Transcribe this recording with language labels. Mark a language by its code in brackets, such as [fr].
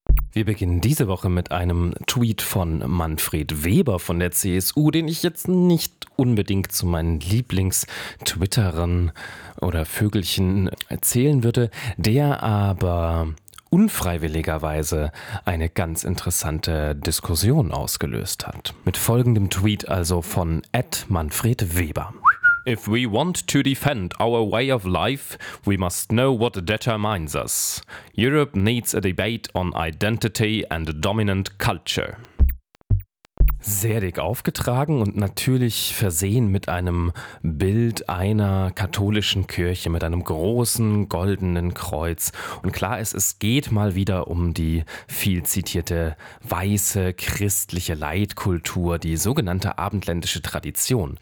[de] Wir beginnen diese Woche mit einem Tweet von Manfred Weber von der CSU, den ich jetzt nicht unbedingt zu meinen Lieblings-Twitterern oder Vögelchen zählen würde, der aber unfreiwilligerweise eine ganz interessante Diskussion ausgelöst hat. Mit folgendem Tweet also von @ManfredWeber. [en] If we want to defend our way of life, we must know what determines us. Europe needs a debate on identity and dominant culture. [de] Sehr dick aufgetragen und natürlich versehen mit einem Bild einer katholischen Kirche, mit einem großen goldenen Kreuz. Und klar ist, es geht mal wieder um die viel zitierte weiße christliche Leitkultur, die sogenannte abendländische Tradition.